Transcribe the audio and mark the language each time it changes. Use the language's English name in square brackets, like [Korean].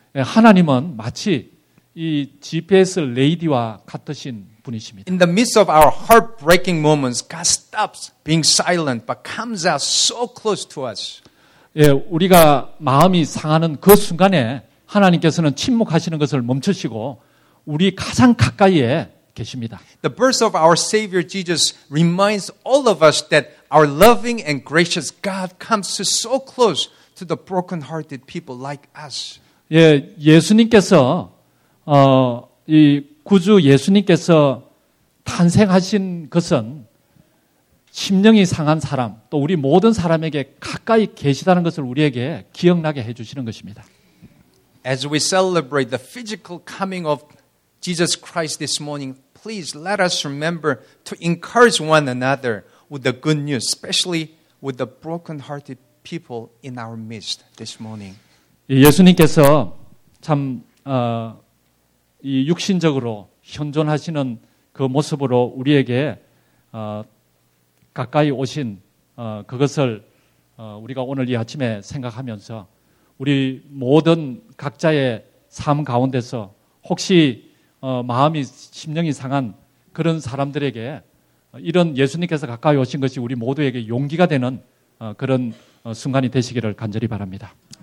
[Korean] 하나님은 마치 이 GPS 레이디와 같으신 분이십니다. [English] In the midst of our heartbreaking moments, God stops being silent but comes out so close to us. [Korean] 예, 우리가 마음이 상하는 그 순간에 하나님께서는 침묵하시는 것을 멈추시고 우리 가장 가까이에 계십니다. [English] The birth of our Savior Jesus reminds all of us that our loving and gracious God comes so close to the broken-hearted people like us. [Korean] 예, 예수님께서 이 구주 예수님께서 탄생하신 것은 심령이 상한 사람 또 우리 모든 사람에게 가까이 계시다는 것을 우리에게 기억나게 해 주시는 것입니다. [English] As we celebrate the physical coming of Jesus Christ this morning, please let us remember to encourage one another with the good news, especially with the broken-hearted people in our midst this morning. [Korean] 예수님께서 참 이 육신적으로 현존하시는 그 모습으로 우리에게 가까이 오신 그것을 우리가 오늘 이 아침에 생각하면서 우리 모든 각자의 삶 가운데서 혹시 마음이 심령이 상한 그런 사람들에게 이런 예수님께서 가까이 오신 것이 우리 모두에게 용기가 되는 그런 순간이 되시기를 간절히 바랍니다.